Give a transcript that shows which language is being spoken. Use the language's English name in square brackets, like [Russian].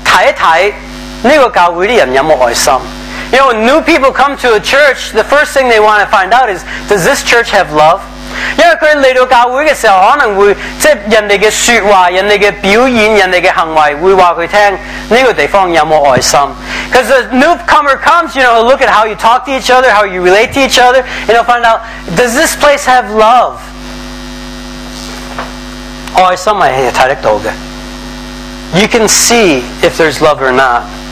[Cantonese] 你想想，一个新人来到教会的时候呢，他来到一个新的教会呢，第一时间会望睇一睇呢个教会的人有冇爱心。 [English] You know, when new people come to a church, the first thing they want to find out is, does this church have love? [Cantonese] 因为他来到教会的时候，可能会即系人哋嘅说话、人哋嘅表演、人哋嘅行为，会话佢听呢个地方有冇爱心。 [English] Because the newcomer comes, you know, he'll look at how you talk to each other, how you relate to each other, and he'll find out, does this place have love? [Cantonese] 爱心系睇得到嘅。 [English] You can see if there's love or not.